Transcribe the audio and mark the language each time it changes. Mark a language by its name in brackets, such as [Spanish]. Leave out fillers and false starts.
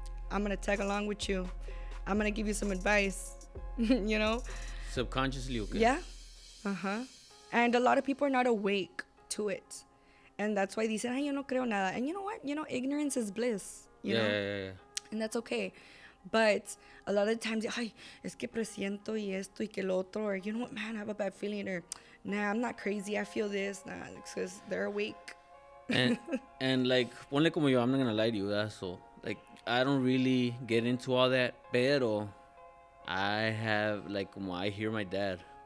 [English] I'm gonna tag along with you. I'm gonna give you some advice, you know? Subconsciously, okay. Yeah. Uh-huh. And a lot of people are not awake to it. And that's why they say, [Spanish] ay, yo no creo nada. [English] And you know what? You know, ignorance is bliss. You know? And that's okay. But a lot of times, [Spanish] ay, es que presiento y esto y que lo otro. [English] Or, you know what, man, I have a bad feeling. Or, nah, I'm not crazy. I feel this. Nah, because they're awake. And like, [Spanish] ponle como yo, [English] I'm not going to lie to you, asshole. Like, I don't really get into all that. Pero I have, like, como I hear my dad.